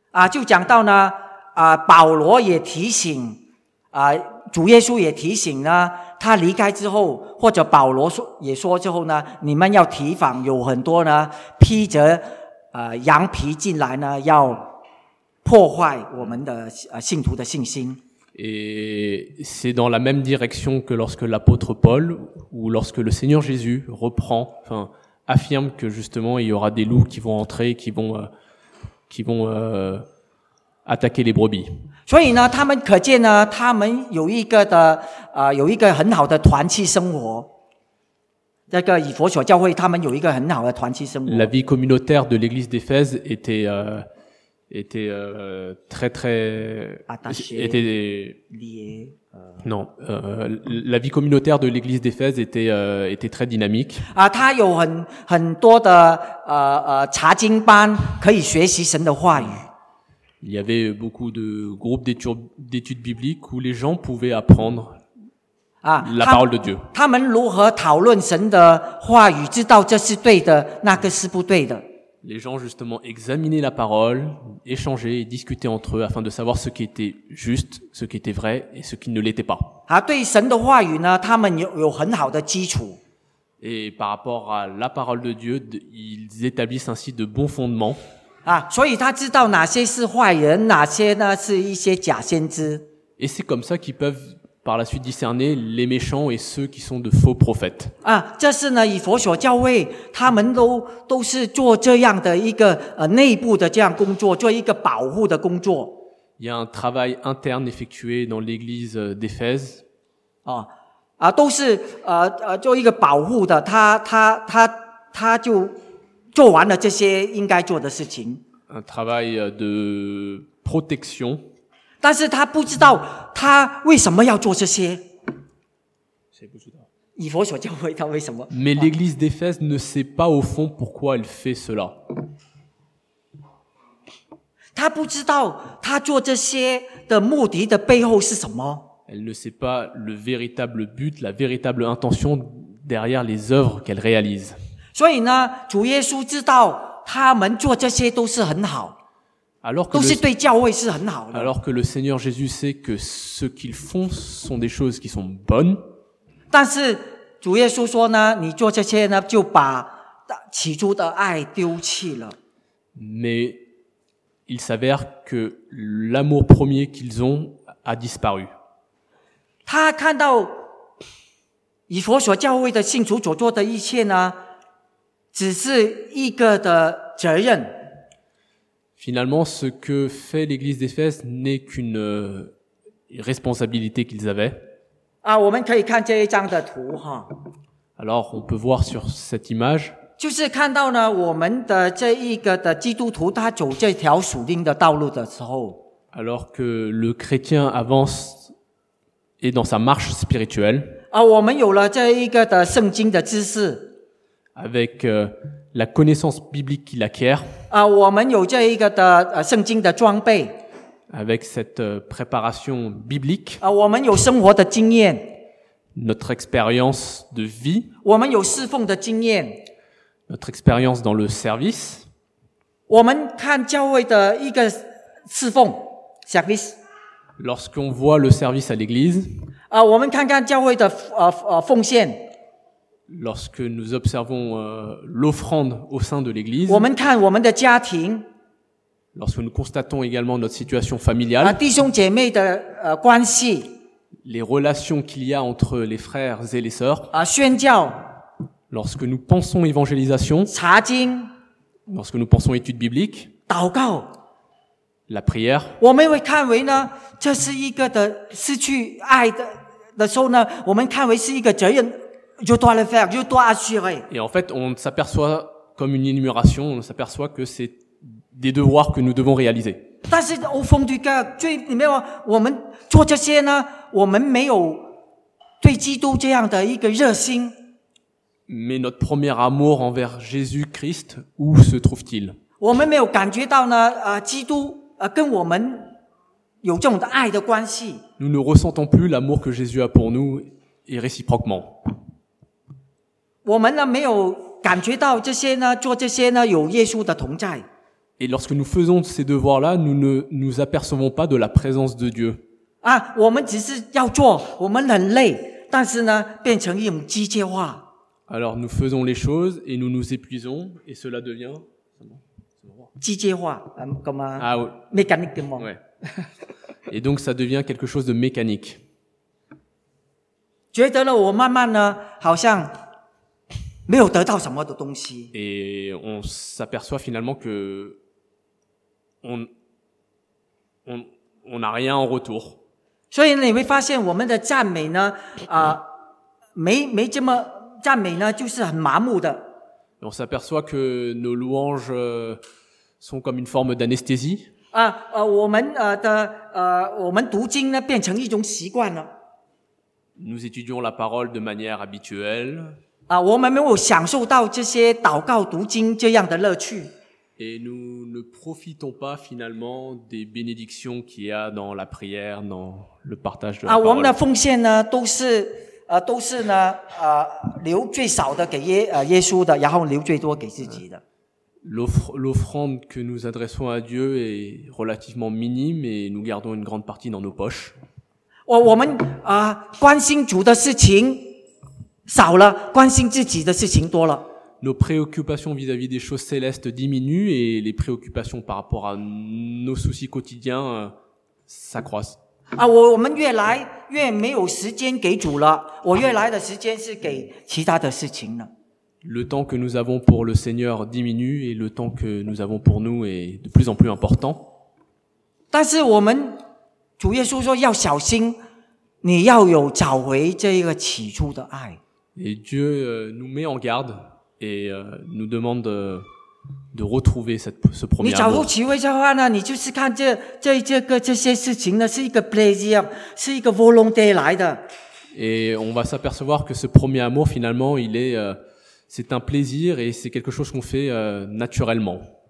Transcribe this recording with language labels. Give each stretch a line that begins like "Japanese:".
Chinese: 就讲到呢保罗也提醒主耶稣也提醒呢他离开之后或者保罗也说之后呢你们要提防有很多呢披着羊皮进来呢，要破坏我们的信徒的信心。
French: Et c'est dans la même direction que lorsque l'apôtre Paul ou lorsque le Seigneur Jésus reprend, enfin affirme que justement il y aura des loups qui vont entrer, qui vont attaquer les brebis.
Chinese: 所以呢，他们可见呢，他们有一个的啊、有一个很好的团契生活。这个以弗所教会，他们有一个很好的团契生活。
French: La vie communautaire de l'Église d'Éphèse était、était très très attaché, était lié non la vie communautaire de l'église d'Éphèse était était très dynamique.
Chinese: 啊，他有很多的查经班，可以学习神的话语。
French: Il y avait beaucoup de groupes d'études bibliques où les gens pouvaient apprendre la parole de Dieu.
Chinese: 他们如何讨论神的话语，知道这是对的，那个是不对的。
French: Les gens justement examinaient la parole, échangeaient et discutaient entre eux afin de savoir ce qui était juste, ce qui était vrai et ce qui ne l'était pas.
Chinese: 啊，对神的话语呢，他们有很好的基础。
French: Et par rapport à la parole de Dieu, ils établissent ainsi de bons fondements.
Chinese: 啊，所以他知道哪些是坏人，哪些呢是一些假先知。
French: Et c'est comme ça qu'ils peuvent par la suite discerner les méchants et ceux qui sont de faux prophètes.
Chinese: 啊，这是呢，以弗所教会他们都是做这样的一个内部的这样工作，做一个保护的工作。
French: Il y a un travail interne effectué dans l'église d'Éphèse.
Chinese: 啊，都是做一个保护的，他就做完了这些应该做的事情。
French: Un travail de protection.
Chinese: 但是他不知道他为什么要做这些。谁不知道？以弗所教会他为什么
French: ？Mais l'Église d'Éphèse ne sait pas au fond pourquoi elle fait cela.
Chinese: 他不知道他做这些的目的的背后是什么。
French: Elle ne sait pas le véritable but, la véritable intention derrière les œuvres qu'elle réalise.
Chinese: 所以呢，主耶稣知道他们做这些都是很好。都是对教会是很好的。
French: Alors que le Seigneur Jésus sait que ce qu'ils font sont des choses qui sont bonnes.
Chinese: 但是主耶稣说呢，你做这些呢，就把起初的爱丢弃了。
French: Mais il s'avère que l'amour premier qu'ils ont a disparu.
Chinese: 他看到以弗所教会的信徒所做的一切呢，只是一个的责任。
French: Finalement, ce que fait l'église d'Éphèse n'est qu'une responsabilité qu'ils avaient.
Chinese: 啊，我们可以看这一张的图哈。
French: Alors, on peut voir sur cette image.
Chinese: 就是看到呢，我们的这一个的基督徒，他走这条属灵的道路的时候。
French: Alors que le chrétien avance et dans sa marche spirituelle.
Chinese: 啊，我们有了这一个的圣经的知识。
French: Avec la connaissance biblique qu'il acquiert.
Chinese: 啊，我们有这一个的圣经的装备。
French: Avec cette préparation biblique.
Chinese: 啊，我们有生活的经验。
French: Notre expérience de vie.
Chinese: 我们有侍奉的经验。
French: Notre expérience dans le service.
Chinese: 我们看教会的一个侍奉 service.
French: Lorsqu'on voit le service à l'église.
Chinese: 啊，我们看看教会的奉献。
French: Lorsque nous observons l'offrande au sein de l'Église,
Chinese: 我们看我们的家庭,
French: lorsque nous constatons également notre situation familiale,
Chinese: 弟兄姐妹的,关系,
French: les relations qu'il y a entre les frères et les sœurs,
Chinese: 宣教,
French: lorsque nous pensons évangélisation,
Chinese: 查经,
French: lorsque nous pensons études bibliques,
Chinese: 祷告,
French: la prière,
Chinese: 我们会看为呢，这是一个的失去爱的的时候呢，我们看为是一个责任。
French: Je dois le faire, je dois assurer. Et en fait, on s'aperçoit comme une énumération, on s'aperçoit que c'est des devoirs que nous devons réaliser.
Chinese: 但是
French: au fond du cœur,
Chinese: 最里面我们做这些呢，我们没有对基督这样的一个热心。
French: Mais notre premier amour envers Jésus-Christ, où se trouve-t-il?
Chinese: 我们没有感觉到呢，基督跟我们有这种的爱的关系。
French: Nous ne ressentons plus l'amour que Jésus a pour nous et réciproquement.
Chinese: 我们呢没有感觉到这些呢做这些呢有耶稣的同在。
French: Et lorsque nous faisons ces devoirs-là, nous ne nous apercevons pas de la présence de Dieu.
Chinese: 啊，我们只是要做，我们很累，但是呢变成一种机械化。
French: Alors nous faisons les choses et nous nous épuisons et cela devient.
Chinese: 机械化，
French: comme mécaniquement. Ouais. Et donc ça devient quelque chose de mécanique.
Chinese: 觉得了，我慢慢呢，好像没有得到什么的东西。
French: Et on s'aperçoit finalement que on n'a rien en retour.
Chinese: 所以你会发现我们的赞美呢，没这么赞美呢，就是很麻木的。
French: On s'aperçoit que nos louanges sont comme une forme d'anesthésie.
Chinese: 啊，我们的我们读经呢，变成一种习惯了。
French: Nous étudions la parole de manière habituelle.
Chinese: 啊，我们没有享受到这些祷告读经这样的乐趣。
French: Et nous ne profitons pas finalement des bénédictions qu'il y a dans la prière, dans le partage de la parole.
Chinese: 啊，我们的奉献呢，都是呢，留最少的给耶稣的，然后留最多给自己的。
French: L'offrande que nous adressons à Dieu est relativement minime et nous gardons une grande partie dans nos poches.
Chinese: 我们关心主的事情少了，关心自己的事情多了。
French: Nos préoccupations vis-à-vis des choses célestes diminuent et les préoccupations par rapport à nos soucis quotidiens s'accroissent.
Chinese: 我们越来越没有时间给主了，我越来的时间是给其他的事情了。
French: Le temps que nous avons pour le Seigneur diminue et le temps que nous avons pour nous est de plus en plus important.
Chinese: 但是我们主耶稣说要小心，你要有找回这个起初的爱。
French: Et Dieu nous met en garde et nous demande de retrouver ce premier amour.
Chinese: 你找回起初的话呢，你就是看这些事情呢，是一个 plaisir， 是一个 volonté 来的。
French: Et on va s'apercevoir que ce premier amour finalement il est c'est un plaisir et c'est quelque chose qu'on fait naturellement.